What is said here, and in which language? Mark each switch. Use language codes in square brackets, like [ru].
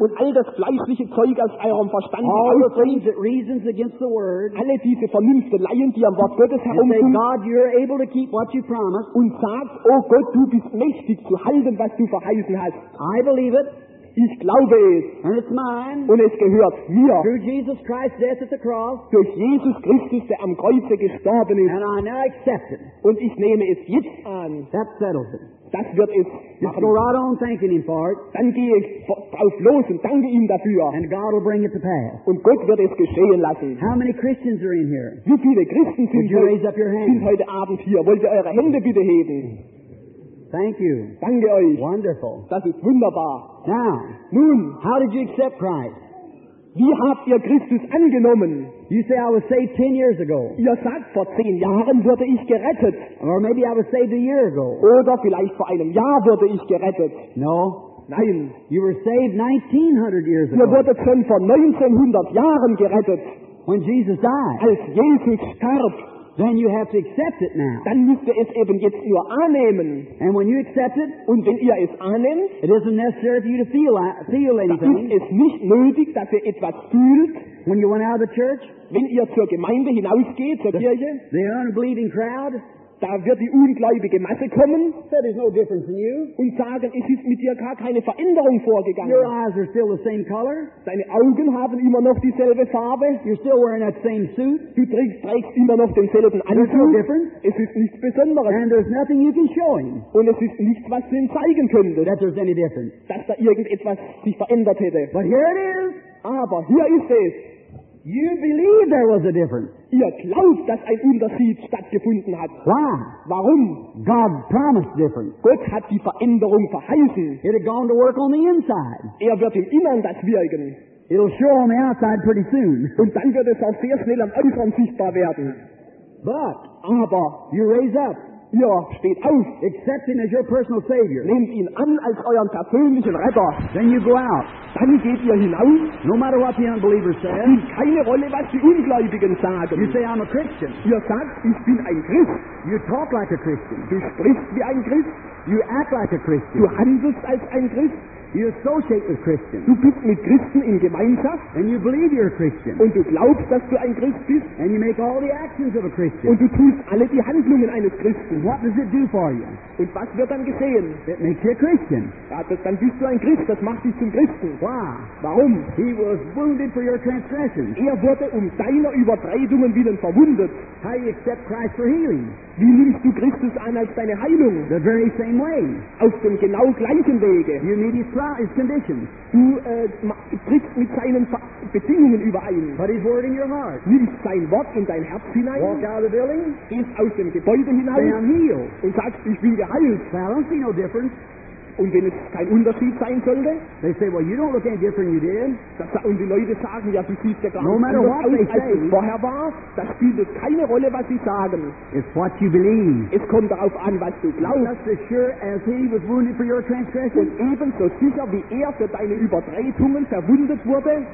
[de] und all das fleischliche Zeug aus eurem Verstand, [en] all the things that reasons against the word, [de] alle diese Vernünfteleien, die am Wort Gottes herumgehen, [en] and say, God, you're able to keep what you promised, [de] und sagt, oh Gott, du bist mächtig zu halten, was du verheißen hast. [en] I believe it. [de] Ich glaube es. [en] And it's mine. [de] Und es gehört mir. [en] Through Jesus Christ's death at the cross. [de] Durch Jesus Christus, der am Kreuze gestorben ist. [en] And I now accept it. [de] Und ich nehme es jetzt an. [en] That settles it. [de] Das wird es. [en] Just go right on thanking him for it. [de] Dann gehe ich drauf los und danke ihm dafür. [en] And God will bring it to pass. [de] Und Gott wird es geschehen lassen. [en] How many Christians are in here? [de] Wie viele Christen sind hier? [en] Raise up your hand. [de] Sind heute Abend hier. Wollt ihr eure Hände bitte heben? [en] Thank you. [de] Danke euch. [en] Wonderful. [de] Das ist wunderbar. [en] Now, [de] nun, [en] how did you accept Christ? [de] Wie habt ihr Christus angenommen? [en] You say I was saved 10 years ago. [de] Ihr sagt, vor 10 Jahren wurde ich gerettet. [en] Or maybe I was saved a year ago. [de] Oder vielleicht vor einem Jahr wurde ich gerettet. [en] No. [de] Nein. [en] You were saved 1900 years ago. [de] Ihr wurdet schon vor 1900 Jahren gerettet. [en] When Jesus died. [de] Als Jesus starb. [en] Then you have to accept it now. [de] Dann müsst ihr es eben jetzt nur annehmen. [en] And when you accept it, [de] und wenn ihr es annimmt, [en] it isn't necessary for you to feel anything. [de] Es ist nicht nötig, dass ihr etwas fühlt. [en] When you went out of the church, [de] wenn ihr zur Gemeinde hinausgeht, zur Kirche, [en] the unbelieving crowd, [de] da wird die ungläubige Masse kommen. [en] That is no difference in you. [de] Und sagen, es ist mit dir gar keine Veränderung vorgegangen. [en] Your eyes are still the same color. [de] Deine Augen haben immer noch dieselbe Farbe. [en] You're still wearing that same suit. [de] Du trägst immer noch denselben Anzug. [en] There's no difference. [de] Es ist nichts Besonderes. [en] And there's nothing you can show him. [de] Und es ist nichts, was du ihm zeigen könntest. [en] That there's any difference. [de] Dass da irgendetwas sich verändert hätte. [en] But here it is. [de] Aber hier ist es. [en] You believe there was a difference. [de] Ihr glaubt, dass ein Unterschied stattgefunden hat. [en] Why? [de] Warum? [en] God promised different. [de] Gott hat die Veränderung verheißen. [en] It had gone to work on the inside. [de] Er wird im Innern das wirken. [en] It'll show on the outside pretty soon. [de] Und dann wird es auch sehr schnell am Äußeren sichtbar werden. [en] But, [de] aber, [en] you raise up. [de] Ihr steht auf. [en] Accepting as your personal savior. [de] Nehmt ihn an als euren persönlichen Retter. [en] Then you go out. [de] Dann geht ihr hinaus. [en] No matter what the unbeliever says. [de] Keine Rolle, was die Ungläubigen sagen. [en] You say, I'm a Christian. [de] Ihr sagt, ich bin ein Christ. [en] You talk like a Christian. [de] Du sprichst wie ein Christ. [en] You act like a Christian. [de] Du handelst als ein Christ. [en] You associate with Christians. [de] Du bist mit Christen in Gemeinschaft. [en] And you believe you're a Christian. [de] Und du glaubst, dass du ein Christ bist. [en] And you make all the actions of a Christian. [de] Und du tust alle die Handlungen eines Christen. [en] What does it do for you? [de] Und was wird dann geschehen? [en] It makes you a Christian. [de] Ja, dann bist du ein Christ. Das macht dich zum Christen. [en] Why? [de] Warum? [en] He was wounded for your transgressions. [de] Er wurde um deiner Übertretungen willen verwundet. [en] How do you accept Christ for healing? [de] Wie nimmst du Christus an als deine Heilung? [en] The very same way. [de] Auf dem genau gleichen Wege. [en] You need his conditions. [de] Du trittst mit seinen Bedingungen überein. [en] But his word in your heart. [de] Nimmst sein Wort in dein Herz hinein. [en] Walk out of the building. [de] Gehst aus dem Gebäude hinein. [en] Then I'm healed. [de] Und sagst, ich bin geheilt. [en] Now, I don't see no difference. [de] Und wenn es kein Unterschied sein sollte, [en] they say, well, you don't look any different than you did. [de] Und die Leute sagen, ja, du siehst ja gar [en] no matter what [de] aus, [en] they say, [de] als es vorher war, das spielt keine Rolle, was sie sagen. [en] It's what you believe. [de] Es kommt darauf an, was du glaubst. [en] Just as sure as he was wounded for your transgressions. [de] Und ebenso sicher, wie er für deine Übertretungen verwundet wurde,